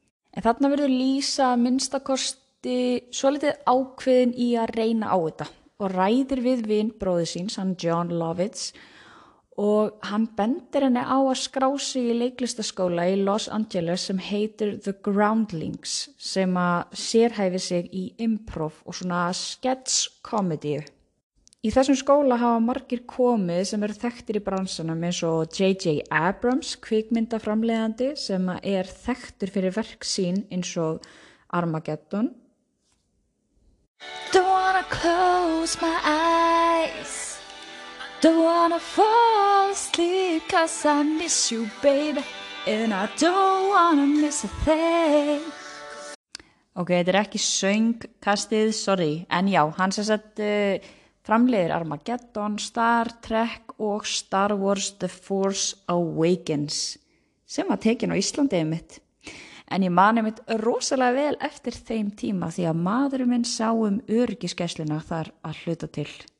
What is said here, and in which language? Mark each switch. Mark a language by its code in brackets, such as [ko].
[is] En þarna verður Lísa minnstakosti svolítið ákveðin í að reyna á þetta og ræðir við vin bróðir síns, hann John Lovitz, og hann bendir henni á að skrá sig í leiklistaskóla í Los Angeles sem heitir The Groundlings sem að sérhæfi sig í improv og svona sketch comedy. Í þessum skóla hafa margir komið sem eru þekktir í bransanum eins og J.J. Abrams, kvikmyndaframleiðandi, sem er þekktur fyrir verk sín eins og Armageddon. [en] Don't wanna close my eyes, don't wanna fall asleep, cause I miss you baby, and I don't wanna miss a thing. [is] Ok, þetta ekki söngkastið, sorry, en já, hann sem sett... Framleiðir Armageddon, Star Trek og Star Wars The Force Awakens sem var tekin á Íslandi einmitt. En ég mani einmitt rosalega vel eftir þeim tíma því að maðurinn minn sá öryggisgæsluna þar að hluta til.